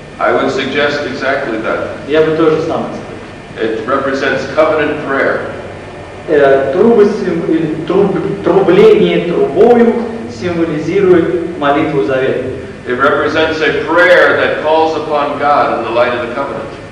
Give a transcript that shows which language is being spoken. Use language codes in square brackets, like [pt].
[en] I would suggest exactly that. [ru] Я бы тоже сам сказал. [en] It represents covenant prayer. [ru] Трубы или трубление трубою символизирует молитву завета. [en] It represents a prayer that calls upon God in the light of the covenant.